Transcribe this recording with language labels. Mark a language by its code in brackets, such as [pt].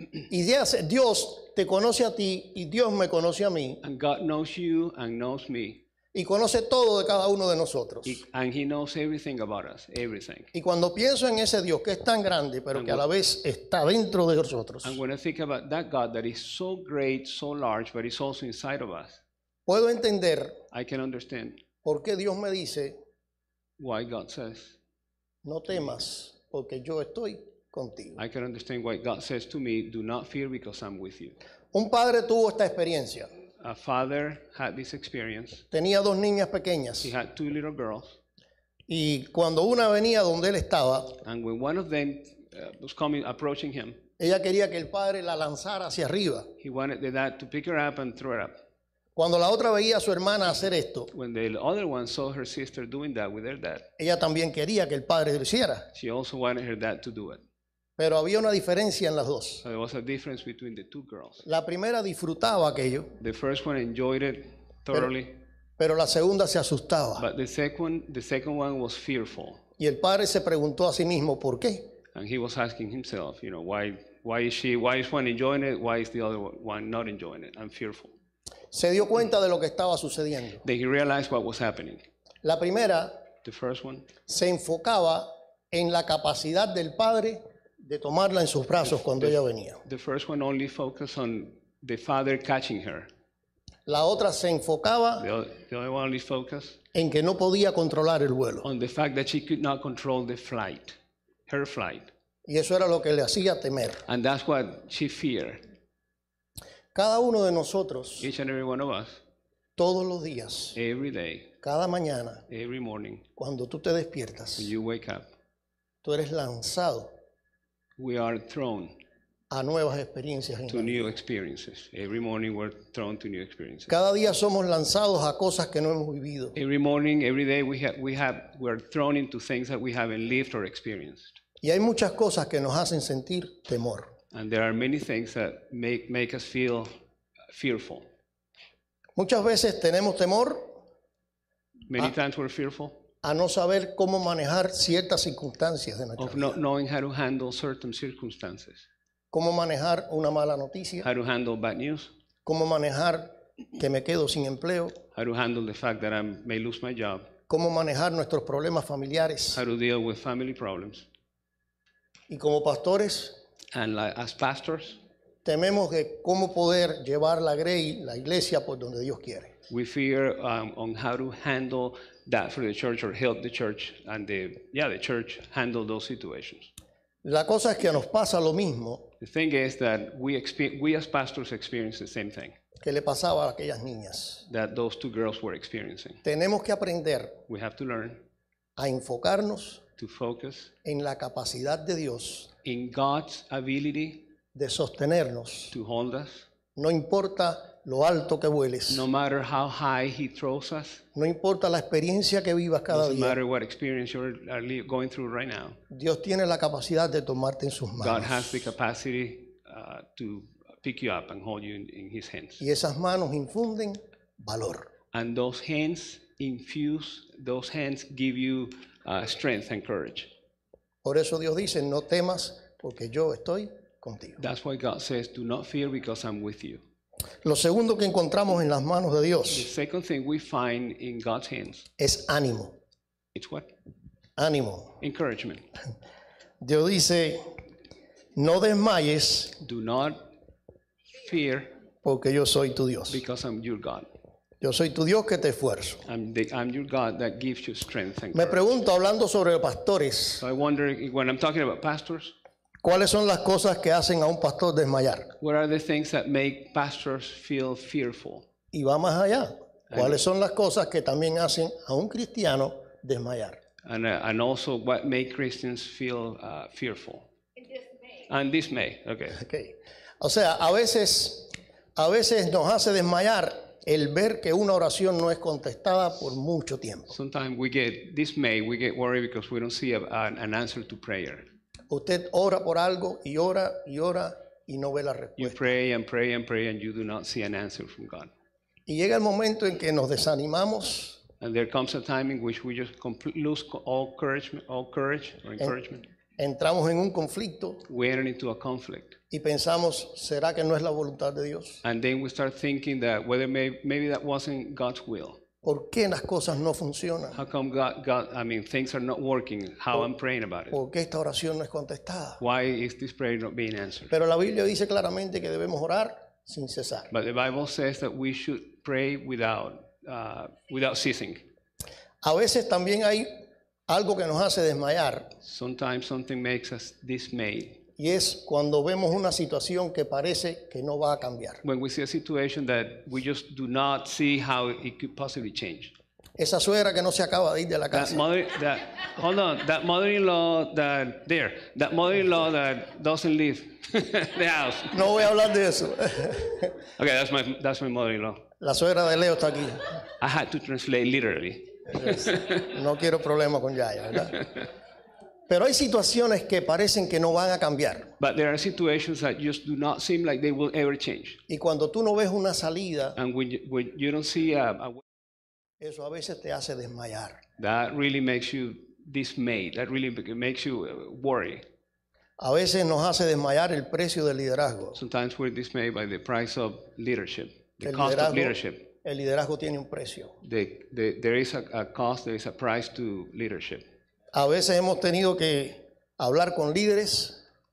[es] Y Dios te conoce a ti y Dios me conoce a mí. [en] And God knows you and knows me. [es] Y conoce todo de cada uno de nosotros. [en] And he knows everything about us, everything. [es] Y cuando pienso en ese Dios que es tan grande, pero que a la vez está dentro de nosotros. [en] And when I think about that God that is so great, so large, but he's also inside of us. [es] Puedo entender. [en] I can understand. [es] Por qué Dios me dice. [en] Why God says. [es] No temas, porque yo estoy contigo. [en] I can understand why God says to me, do not fear because I'm with you. [es] Un padre tuvo esta experiencia. [en] A father had this experience. [es] Tenía dos niñas pequeñas. [en] He had two little girls. [es] Y cuando una venía donde él estaba, [en] and when one of them was coming, approaching him, [es] ella quería que el padre la lanzara hacia arriba. [en] He wanted the dad to pick her up and throw her up. [es] Cuando la otra veía a su hermana hacer esto, [en] when the other one saw her sister doing that with her dad, [es] ella también quería que el padre lo hiciera. [en] She also wanted her dad to do it. [es] Pero había una diferencia en las dos. [en] There was a difference between the two girls. [es] La primera disfrutaba aquello. [en] The first one enjoyed it thoroughly. [es] Pero la segunda se asustaba. [en] But the second one was fearful. [es] Y el padre se preguntó a sí mismo por qué. [en] And he was asking himself, you know, why is one enjoying it, why is the other one not enjoying it? I'm fearful. [es] Se dio cuenta de lo que estaba sucediendo. [en] Then he realized what was happening. [es] La primera, [en] the first one, [es] se enfocaba en la capacidad del Padre de tomarla en sus brazos cuando ella venía. [en] The first one only focused on the Father catching her. [es] La otra se enfocaba en que no podía controlar el vuelo. [en] On the fact that she could not control the flight, her flight. [es] Y eso era lo que le hacía temer. [en] And that's what she feared. [es] Cada uno de nosotros, [en] each and every one of us, [es] todos los días, [en] every day, [es] cada mañana, [en] every morning, [es] cuando tú te despiertas, [en] when you wake up, [es] tú eres lanzado, [en] we are thrown, [es] a nuevas experiencias. [en] To new experiences. Every morning we're thrown to new experiences. [es] Cada día somos lanzados a cosas que no hemos vivido. [en] Every morning, every day we're thrown into things that we haven't lived or experienced. [es] Y hay muchas cosas que nos hacen sentir temor. [en] And there are many things that make us feel fearful. [es] Muchas veces tenemos temor. [en] Many times we're fearful. [es] A no saber cómo manejar ciertas circunstancias de nuestra vida. [en] Of not knowing how to handle certain circumstances. [es] Cómo manejar una mala noticia. [en] How to handle bad news. [es] Cómo manejar que me quedo sin empleo. [en] How to handle the fact that I may lose my job. [es] Cómo manejar nuestros problemas familiares. [en] How to deal with family problems. [es] Y como pastores. [en] And like, as pastors, [es] tememos de cómo poder llevar la grey, la iglesia, por donde Dios quiere. [en] We fear on how to handle that for the church or help the church and the church handle those situations. [es] La cosa es que nos pasa lo mismo. [en] The thing is that we as pastors experience the same thing. [es] Que le pasaba a aquellas niñas. [en] That those two girls were experiencing. [es] Tenemos que aprender. [en] We have to learn. [es] A enfocarnos. [en] To focus. [es] En la capacidad de Dios. [en] In God's ability. [es] De sostenernos. [en] To hold us. [es] No importa lo alto que vueles. [en] No matter how high he throws us. [es] No importa la experiencia que vivas cada [en] doesn't [es] día. [en] Doesn't matter what experience you are going through right now. [es] Dios tiene la capacidad de tomarte en sus manos. [en] God has the capacity to pick you up and hold you in his hands. [es] Y esas manos infunden valor. [en] And those hands infuse, those hands give you strength and courage. [es] Por eso Dios dice, no temas porque yo estoy contigo. [en] That's why God says, do not fear because I'm with you. [es] Lo segundo que encontramos en las manos de Dios, [en] the second thing we find in God's hands, [es] es ánimo. [en] It's what? [es] Ánimo. [en] Encouragement. [es] Dios dice, no desmayes. [en] Do not fear. [es] Porque yo soy tu Dios. [en] Because I'm your God. [es] Yo soy tu Dios que te esfuerzo. [en] I'm your God that gives you strength and [es] me pregunto, [en] courage. [es] Hablando sobre pastores, [en] so I wonder, when I'm talking about pastors, [es] ¿cuáles son las cosas que hacen a un pastor desmayar? [en] What are the things that make pastors feel fearful? [es] Y va más allá. ¿Cuáles son las cosas que también hacen a un cristiano desmayar? [en] And also what make Christians feel fearful. And dismay. Okay. [es] O sea, a veces nos hace desmayar el ver que una oración no es contestada por mucho tiempo. [en] Sometimes we get dismayed, we get worried because we don't see an answer to prayer. [es] Usted ora por algo y ora y ora y no ve la respuesta. [en] You pray and pray and pray and you do not see an answer from God. [es] Y llega el momento en que nos desanimamos. [en] And there comes a time in which we just lose all courage or encouragement. [es] Entramos en un conflicto. [en] We enter into a conflict. [es] Y pensamos, ¿será que no es la voluntad de Dios? [en] And then we start thinking that whether maybe that wasn't God's will. [es] ¿Por qué las cosas no funcionan? [en] How come God, things are not working? How I'm praying about it? [es] ¿Por qué esta oración no es contestada? [en] Why is this prayer not being answered? [es] Pero la Biblia dice claramente que debemos orar sin cesar. [en] But the Bible says that we should pray without ceasing. [es] A veces también hay algo que nos hace desmayar. [en] Sometimes something makes us dismayed. [es] Y es cuando vemos una situación que parece que no va a cambiar. [en] When we see a situation that we just do not see how it could possibly change. [es] Esa suegra que no se acaba de ir de la casa. [en] That mother-in-law that mother-in-law that doesn't leave the house. [es] No voy a hablar de eso. [en] Okay, that's my mother-in-law. [es] La suegra de Leo está aquí. [en] I had to translate literally. [es] No quiero problemas con Yaya, ¿verdad? Pero hay situaciones que parecen que no van a cambiar. [en] But there are situations that just do not seem like they will ever change. [es] Y cuando tú no ves una salida, [en] and when you don't see [es] eso a veces te hace desmayar. [en] That really makes you dismayed. That really makes you worry. [es] A veces nos hace desmayar el precio del liderazgo. [en] Sometimes we're dismayed by the price of leadership, the cost of leadership. [es] El liderazgo tiene un precio. [en] There is a cost, there is a price to leadership. [es] A veces hemos tenido que hablar con líderes.